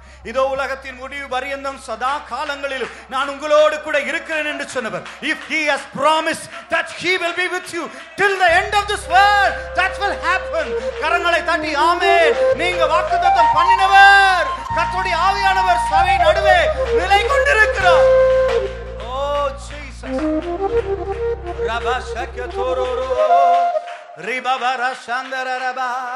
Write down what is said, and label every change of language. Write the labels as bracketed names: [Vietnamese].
[Tamil] இதோ உலகத்தின் முடிவு பரியந்தம் சதா காலங்களில் நான் உங்களோடு கூட இருக்கிறேன் என்று சொன்னவர். [English] If he has promised that he will be with you till the end of this world, that will happen. [Tamil] கரங்களை தட்டி ஆமென். நீங்க வாக்குத்தத்தம் பண்ணினவர் கர்த்தருடைய ஆவியானவர் சபை நடுவே நிலை கொண்டிருக்கிறார். ஓ ஜீசஸ் ரபா சக்ய தோரோரோ ரிபவர சந்தர ரபா.